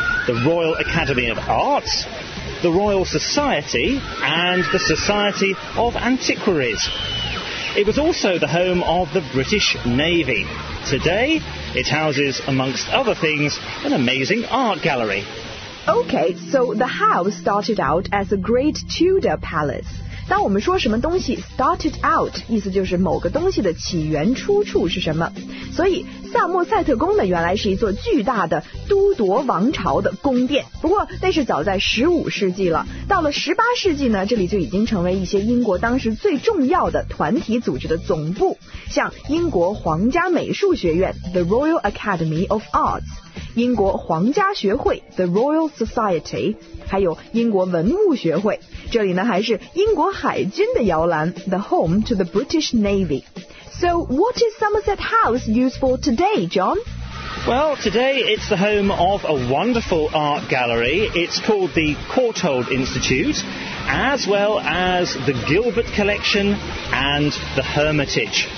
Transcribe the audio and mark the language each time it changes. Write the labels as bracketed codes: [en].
[en] The Royal Academy of Arts, the Royal Society, and the Society of Antiquaries. It was also the home of the British Navy. Today, it houses, amongst other things, an amazing art gallery. Okay, so the house started out as a great Tudor palace. [zh] 当我们说什么东西 [en] started out, [zh] 意思就是某个东西的起源出处是什么。所以萨默塞特宫呢，原来是一座巨大的都铎王朝的宫殿。不过那是早在15世纪了。到了18世纪呢，这里就已经成为一些英国当时最重要的团体组织的总部，像英国皇家美术学院 The Royal Academy of Arts， 英国皇家学会 The Royal Society， 还有英国文物学会。这里呢还是英国海军的摇篮 [en] The home to the British Navy。 So, what is Somerset House used for today, John? Well, today it's the home of a wonderful art gallery. It's called the Courtauld Institute, as well as the Gilbert Collection and the Hermitage.